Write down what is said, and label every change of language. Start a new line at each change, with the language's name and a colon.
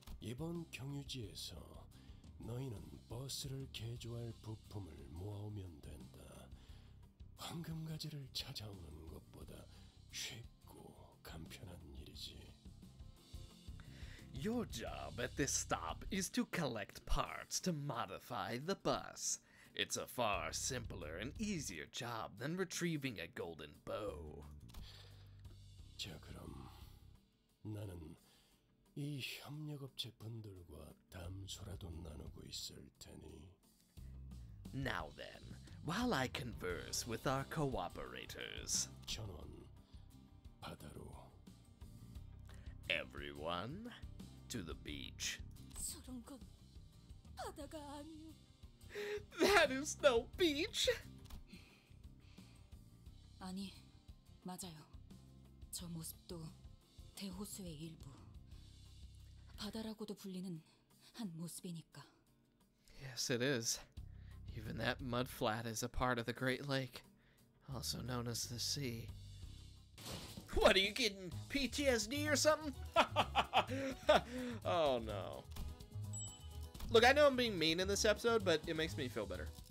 Korean: 이번 경유지에서 너희는 버스를 개조할 부품을 모아오면 된다. 황금가지를 찾아오는 것보다 쉽고 간편한 일이지.
English: Your job at this stop is to collect parts to modify the bus. It's a far simpler and easier job than retrieving a golden bow.
Korean: 자, 그럼 나는 이 협력업체 분들과 담소라도 나누고 있을 테니.
English: Now then, while I converse with our cooperators.
Korean: 전원, 바다로.
English: Everyone, to the beach.
Korean: 저런 건 바다가 아니요.
English: That is no beach!
Korean: 아니, 맞아요. 저 모습도 대호수의 일부. 바다라고도 불리는 한 모습이니까.
English: Yes, it is. Even that mud flat is a part of the Great Lake, also known as the sea. What are you getting? PTSD or something? Oh no. Look, I know I'm being mean in this episode, but it makes me feel better.